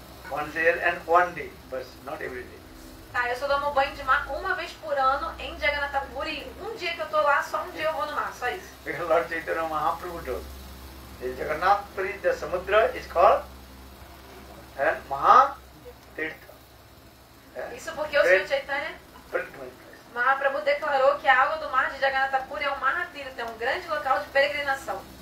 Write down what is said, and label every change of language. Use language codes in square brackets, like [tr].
[en] Once a year and one day, but not every day. [pt] Tá, eu só tomo banho de mar uma vez por ano em Jagannath Puri. Um dia que eu tô lá, só um dia eu vou no mar, só isso. Porque o [en] Lord Chaitanya Mahaprabhu told. In Jagannath Puri, the samudra is called and Mahatirtha. [pt] Isso porque o Sr. Chaitanya Mahaprabhu declarou que a água do mar de Jagannath Puri é o Mahatirtha, é um grande local de peregrinação.